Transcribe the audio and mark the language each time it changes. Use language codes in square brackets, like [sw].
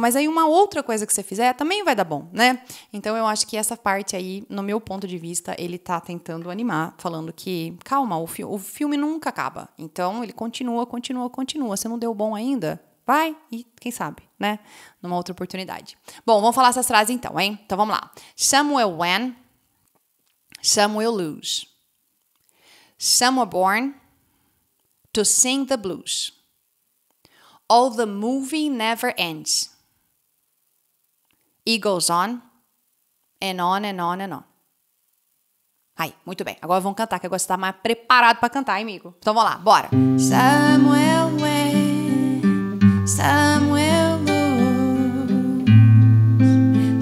[pt] Mas aí, uma outra coisa que você fizer, também vai dar bom, né? Então, eu acho que essa parte aí, no meu ponto de vista, ele está tentando animar, falando que, calma, o filme nunca acaba. Então, ele continua, continua, continua. Você não deu bom ainda? Vai e, quem sabe, né? Numa outra oportunidade. Bom, vamos falar essas frases então, hein? Então, vamos lá. [en] Some will win, some will lose. Some were born to sing the blues. Oh, the movie never ends. It goes on and on and on and on. [pt] Aí, muito bem. Agora vamos cantar, que agora você tá mais preparado pra cantar, hein, amigo? Então vamos lá, bora. [en] Some will win, some will lose.